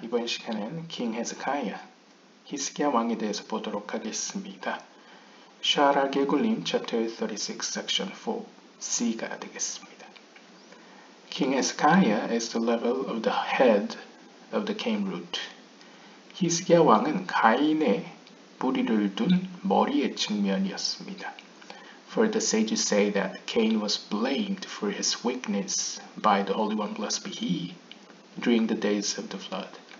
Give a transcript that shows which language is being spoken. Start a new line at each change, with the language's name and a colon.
Korean: 이번 시간은 킹 헤스카야, 히스기야 왕에 대해서 보도록 하겠습니다. 샤라 게굴림 챕터 36 섹션 4C가 되겠습니다.
English: King Hezekiah is the level of the head of the cane root.
Korean: 히스기야 왕은 가인의 뿌리를 둔 머리의 측면이었습니다.
English: For the sages say that Cain was blamed for his weakness by the Holy One, blessed be He, during the days of the flood.